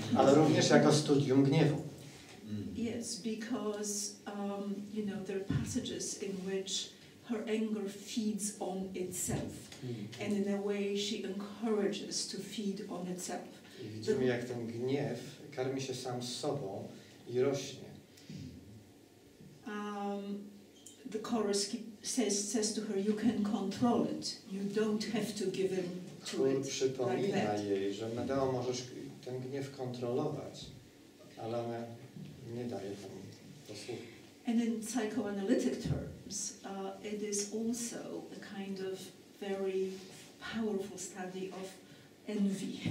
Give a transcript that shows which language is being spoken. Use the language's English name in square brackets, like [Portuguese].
[Polish] ale również jako studium gniewu. [English] Yes, because you know, there are passages in which her anger feeds on itself, and in a way she encourages to feed on itself. [Polish] Widzimy, jak ten gniew karmi się sam sobą i rośnie. [English] The chorus says to her, you can control it, you don't have to give in to it. [Polish] Chór przypomina jej, że Medeo, możesz ten gniew kontrolować, ale ona nie daje tam posłuchu. [English] And in psychoanalytic terms, it is also a kind of very powerful study of envy.